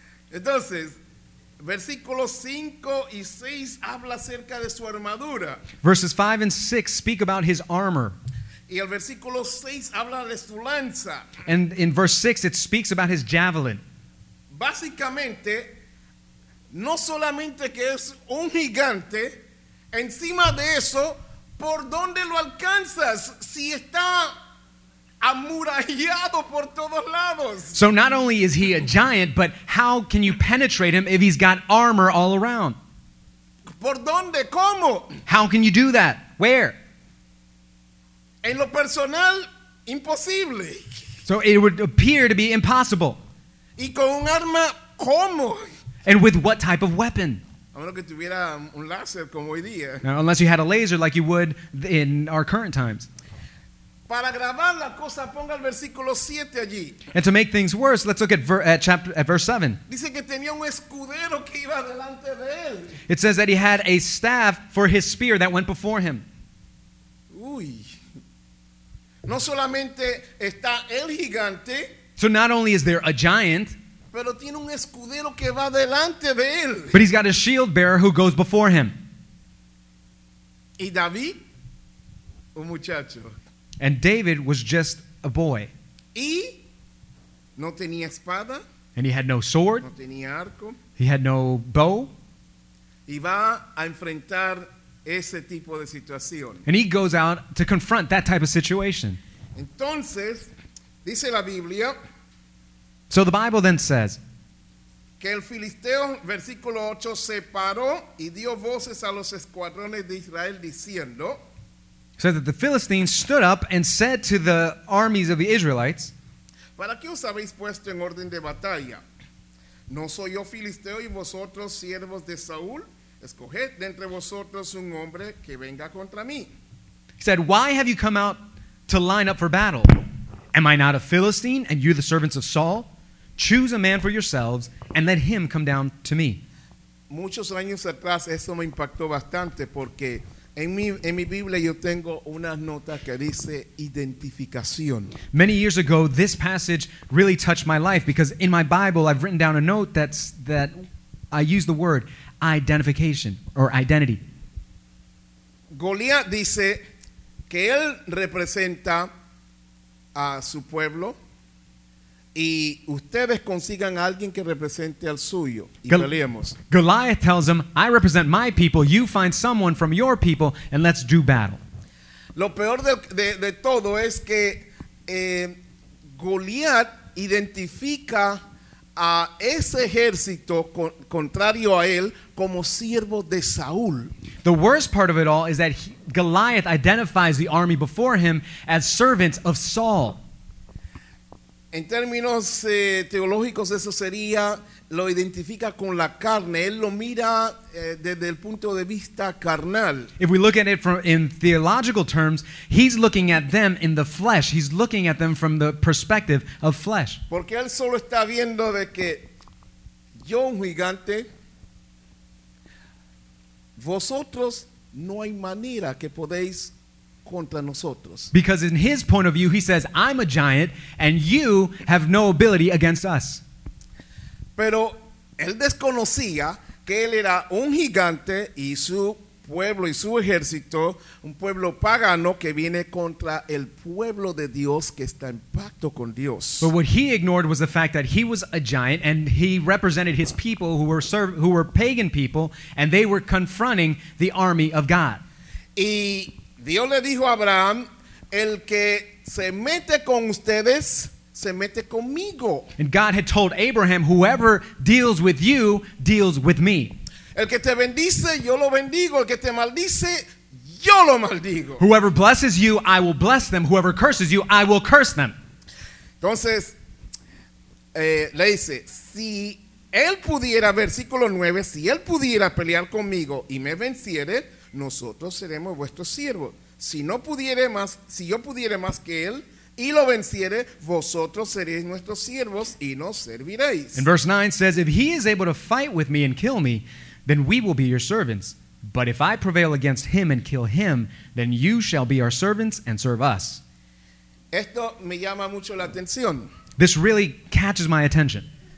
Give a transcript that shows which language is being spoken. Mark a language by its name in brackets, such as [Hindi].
[Spanish] Entonces versículos 5 y 6 habla acerca de su armadura. [English] Verses 5 and 6 speak about his armor. [Spanish] Y el versículo 6 habla de su lanza. [English] And in verse 6 it speaks about his javelin. [Spanish] Básicamente, no solamente que es un gigante, encima de eso, ¿por dónde lo alcanzas si está amurallado por todos lados? [English] So not only is he a giant, but how can you penetrate him if he's got armor all around? [Spanish] ¿Por dónde? ¿Cómo? [English] How can you do that? Where? [Spanish] En lo personal, imposible. [English] So it would appear to be impossible. [Spanish] ¿Y con un arma, cómo? [English] And with what type of weapon? [Spanish] A menos que tuviera un láser como hoy día. [English] Now, unless you had a laser like you would in our current times. [Spanish] Para grabar la cosa, ponga el versículo 7 allí. [English] And to make things worse, let's look at verse 7. [Spanish] Dice que tenía un escudero que iba delante de él. [English] It says that he had a staff for his spear that went before him. [Spanish] Uy. No solamente está el gigante. [English] So not only is there a giant, [Spanish] pero tiene un escudero que va delante de él. [English] But he's got a shield bearer who goes before him. [Spanish] Y David, un muchacho. [English] And David was just a boy. [Spanish] Y no tenía espada. [English] And he had no sword. [Spanish] No tenía arco. [English] He had no bow. [Spanish] Y va a enfrentar ese tipo de situación. [English] And he goes out to confront that type of situation. [Spanish] Entonces, dice la Biblia. [English] So the Bible then says. [Spanish] Que el Filisteo, versículo 8, se paró y dio voces a los escuadrones de Israel diciendo. [English] Says that the Philistines stood up and said to the armies of the Israelites. [Spanish] ¿Para qué os habéis puesto en orden de batalla? ¿No soy yo filisteo y vosotros siervos de Saúl? Escoged de entre vosotros un hombre que venga contra mí. [English] He said, why have you come out to line up for battle? Am I not a Philistine and you the servants of Saul? Choose a man for yourselves and let him come down to me. [Spanish] Muchos años atrás eso me impactó bastante porque en mi Biblia yo tengo unas notas que dice identificación. [English] Many years ago, this passage really touched my life because in my Bible, I've written down a note that I use the word identification or identity. [Spanish] Goliat dice que él representa a su pueblo y ustedes consigan a alguien que represente al suyo y peleemos. [English] Goliath tells him, I represent my people, you find someone from your people and let's do battle. [Spanish] Lo peor de todo es que Goliat identifica a ese ejército contrario a él como siervo de Saúl. [English] The worst part of it all is that Goliath identifies the army before him as servants of Saul. [Spanish] En términos teológicos, eso sería, lo identifica con la carne. Él lo mira desde el punto de vista carnal. [English] If we look at it in theological terms, he's looking at them in the flesh. He's looking at them from the perspective of flesh. [Spanish] Porque él solo está viendo de que yo un gigante, vosotros no hay manera que podéis contra nosotros. [English] Because in his point of view, he says, I'm a giant and you have no ability against us. [Spanish] Pero él desconocía que él era un gigante y su pueblo y su ejército, un pueblo pagano que viene contra el pueblo de Dios que está en pacto con Dios. [English] But what he ignored was the fact that he was a giant and he represented his people who were pagan people and they were confronting the army of God. [Spanish] Y Dios le dijo a Abraham, el que se mete con ustedes, se mete conmigo. [English] And God had told Abraham, whoever deals with you, deals with me. [Spanish] El que te bendice, yo lo bendigo. El que te maldice, yo lo maldigo. [English] Whoever blesses you, I will bless them. Whoever curses you, I will curse them. [Spanish] Entonces, le dice, si él pudiera, versículo 9, si él pudiera pelear conmigo y me venciere, nosotros seremos vuestros siervos. Si yo pudiere más que él y lo venciere, vosotros seréis nuestros siervos y nos serviréis. [English] And verse 9 says, if he is able to fight with me and kill me, then we will be your servants. But if I prevail against him and kill him, then you shall be our servants and serve us. [Spanish] Esto me llama mucho la atención. [English] This really catches my attention.